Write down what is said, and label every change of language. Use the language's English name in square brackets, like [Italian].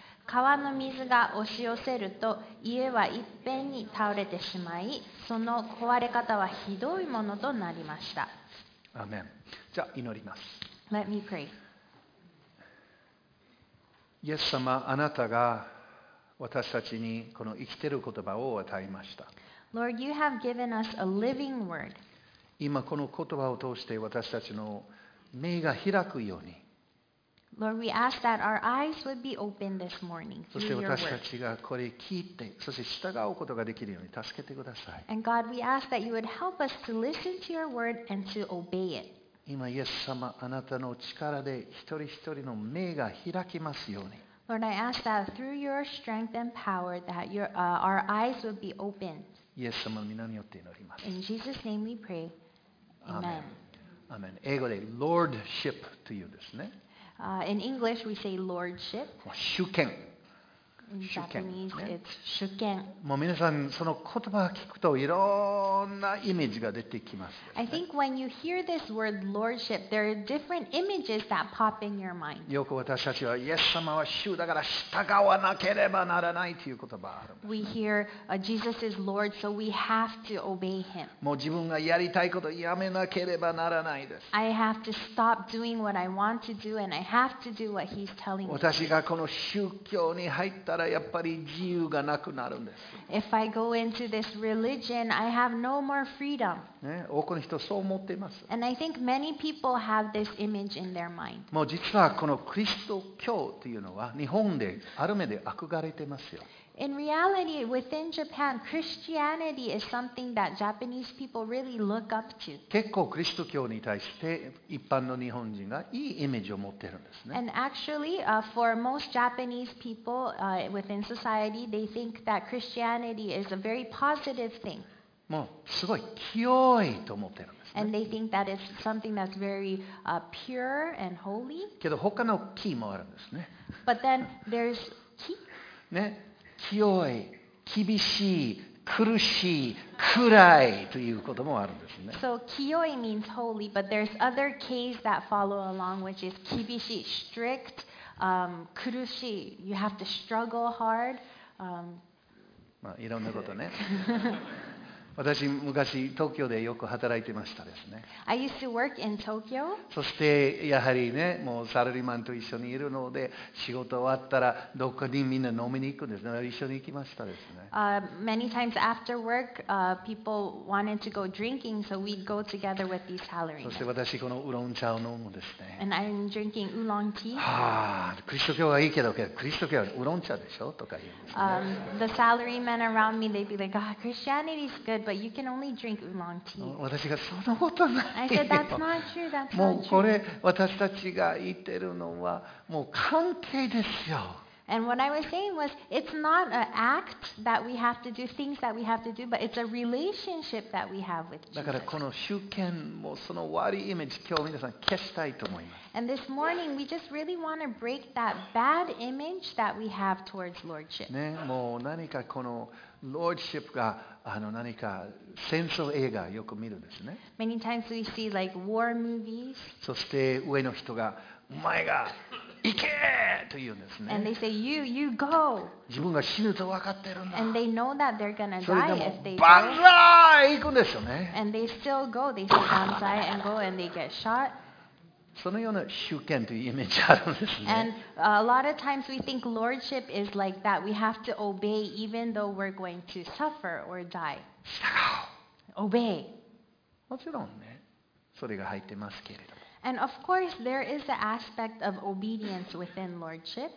[Japanese] 川の水が押し寄せると家はいっぺんに倒れてしまい、その壊れ方はひどいものとなりました。アーメン。じゃあ祈ります。 [English] Let me pray. [Japanese] イエス様、あなたが私たちにこの生きている言葉を与えました。 [English] Lord, you have given us a living word. [Japanese] 今この言葉を通して私たちの目が開くように。 [English] Lord, we ask that our eyes would be open this morning. [Japanese] そして私たちがこれ聞いて、そして従うことができるように助けてください。 [English] And God, we ask that you would help us to listen to your word and to obey it. [Japanese] 今イエス様、あなたの力で一人一人の目が開きますように。 [English] Lord, I ask that through your strength and power that your, our eyes would be opened. [Japanese] イエス様の皆によって祈ります。 [English] In Jesus' name we pray. Amen. [Japanese] Amen. 英語で Lordship というですね。 [English] In English we say Lordship. [Japanese] 主権。主権。もう皆さんその言葉を聞くといろんなイメージが出てきます、 [English] ね。I think when you hear this word lordship, there are different images that pop in your mind. [Japanese] よく私たちはイエス様は主だから従わなければならないという言葉がある、 [English] ね。We hear Jesus is Lord, so we have to obey Him. [Japanese] もう自分がやりたいことをやめなければならないです。 [English] I have to stop doing what I want to do, and I have to do what He's telling me. [Japanese] 私がこの宗教に入ってやっぱり自由がなくなるんです。 [English] If I go into this religion, I have no more freedom. [Japanese] ね、多くの人そう思っています。 [English] And I think many people have this image in their mind. [Japanese] もう実はこのキリスト教というのは日本である目で憧れてますよ。 [English] In reality, within Japan, Christianity is something that Japanese people really look up to. [Japanese] 結構キリスト教に対して一般の日本人がいいイメージを持ってるんですね。 [English] And actually, for most Japanese people, within society, they think that Christianity is a very positive thing. [Japanese] もうすごい清いと思ってるんですね。 [English] And they think that it's something that's very pure and holy. [Japanese] けど他の木もあるんですね。 [English] But then there's 木。 [Japanese] ね。清い、厳しい、苦しい、暗いということもあるんですね。 [English] So, 清い means holy, but there's other keys that follow along, which is 厳しい、strict, 苦しい。 You have to struggle hard. [Japanese] まあ、いろんなことね。私昔東京でよく働いてましたですね。 [English] I used to work in Tokyo. [Japanese] そしてやはりね、もうサラリーマンと一緒にいるので、仕事終わったらどこかにみんな飲みに行くんですね。一緒に行きましたですね。 [English] Many times after work, people wanted to go drinking, so we'd go together with these salarymen. [Japanese] そして私このウーロン茶を飲むんですね。 [English] And I'm drinking oolong tea. [Japanese] はあ、キリスト教はいいけど、キリスト教はウーロン茶でしょとか言うんですね。 [English] The salarymen around me, they'd be like, "Ah, Christianity is good." But you can only drink oolong tea. [Japanese] 私がそのことないよ。 [English] I said that's not true. That's not true. [Japanese] もうこれ私たちが言ってるのはもう関係ですよ。 [English] And what I was saying was, it's not an act that we have to do, things that we have to do, but it's a relationship that we have with Jesus. [Japanese] だからこの主権もその悪いイメージ今日皆さん消したいと思います。 [English] And this morning we just really want to break that bad image that we have towards lordship. [Japanese] ね、もう何かこのlordship が何か戦争映画よく見るんですね。 [English] Many times we see like war movies. [Japanese] そして上の人がお前が行けと言うんですね。 [English] And they say you go. [Japanese] 自分が死ぬと分かってるんだ。 [English] And they know that they're gonna die if they go. [Japanese] それでもバンザイ行くんですよね。 [English] And they still go. They still バンザイ and go and they get shot. [Japanese] そのような主権というイメージあるんですね。 [English] And a lot of times we think lordship is like that. We have to obey even though we're going to suffer or die. [Japanese] 従う。 [English] Obey. [Japanese] もちろんね、それが入ってますけれども。 [English] And of course there is the aspect of obedience within lordship.